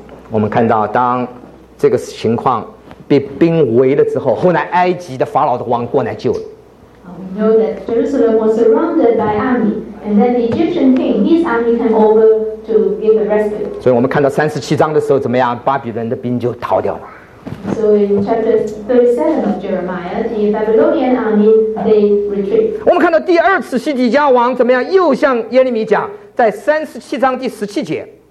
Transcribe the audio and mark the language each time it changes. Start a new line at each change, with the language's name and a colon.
Chinese: 我们看到当这个情况被兵围了之后，后来埃及的法老的王过来救了。
English: We know that Jerusalem was surrounded by army, and then the Egyptian king, his army came over to give a respite.
Chinese: 所以我们看到37章的时候怎么样，巴比伦的兵就逃掉了。
English: So in chapter 37 of Jeremiah, the Babylonian army, they retreat.
Chinese: 我们看到第二次西底家王怎么样，又向耶利米讲，在37章第17节。